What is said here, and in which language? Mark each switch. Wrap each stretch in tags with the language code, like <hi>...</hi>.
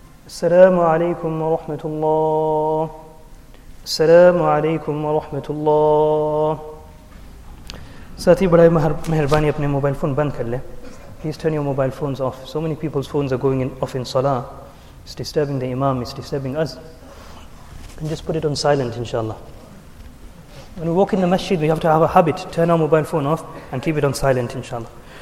<ar>السلام عليكم ورحمة الله. السلام عليكم ورحمة الله.</ar> <ur>ساتھی بڑا مہربانی اپنے موبائل فون بند کر لیں.</ur> <en>Please turn your mobile phones off. So many people's phones are going in off in salah. It's disturbing the imam, it's disturbing us. And just put it on silent inshallah. When we walk in the masjid we have to have a habit, turn our mobile phone off and keep it on silent inshallah.</en>